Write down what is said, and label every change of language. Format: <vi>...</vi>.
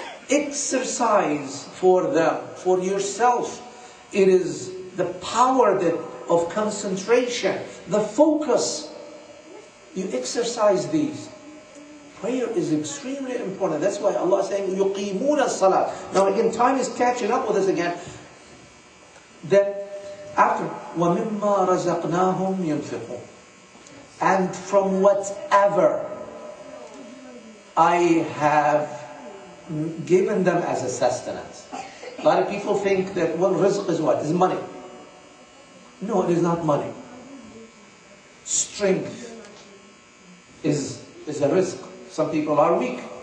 <en>Exercise for them, for yourself. It is the power that of concentration, the focus. You exercise these. Prayer is extremely important. That's why Allah is saying,</en> <ar>يُقِيمُونَ الصَّلَاةِ.</ar> <en>Now again, time is catching up with us again. That after,</en> <ar>وَمِمَّا رَزَقْنَاهُمْ يُنْفِقُونَ.</ar> <en>And from whatever I have given them as a sustenance. A lot of people think that, well, rizq is what? It's money. No, it is not money. Strength is a rizq. Some people are weak.</en>